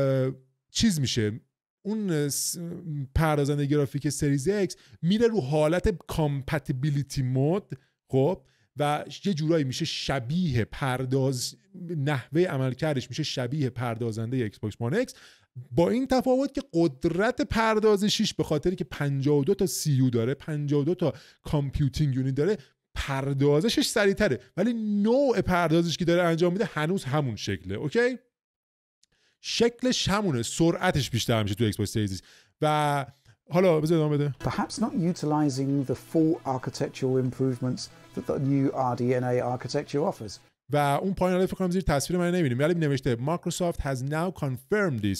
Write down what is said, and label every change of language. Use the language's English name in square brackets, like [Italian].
[Persian] 2، چیز میشه اون پردازنده گرافیک سریز ایکس میره رو حالت کامپتیبیلیتی مود، خب، و یه جورایی میشه شبیه پرداز، نحوه عملکردش میشه شبیه پردازنده ایکس باکس وان ایکس، با این تفاوت که قدرت پردازشیش به خاطری که 52 تا سی یو داره، 52 تا کامپیوتینگ یونیت داره، پردازشش سریع تره، ولی نوع پردازش که داره انجام میده هنوز همون شکله. اوکی؟ شکلش همونه، سرعتش بیشتر میشه تو ایکس باکس سریز. و حالا بذار ادامه بده. [English] Perhaps not utilizing the full architectural improvements that the new RDNA architecture offers. [Persian] و اون پایین رو فکر کنم زیر تصویر من نمیبینیم، ولی نوشته [English] Microsoft has now confirmed this.